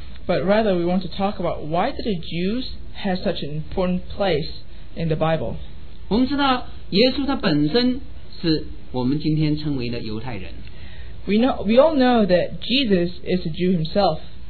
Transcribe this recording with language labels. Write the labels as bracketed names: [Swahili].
[English] But rather we want to talk about why did the Jews have such an important place in the Bible. [Chinese] 我们知道耶稣他本身是我们今天称为的犹太人。 [English] We all know that Jesus is a Jew himself.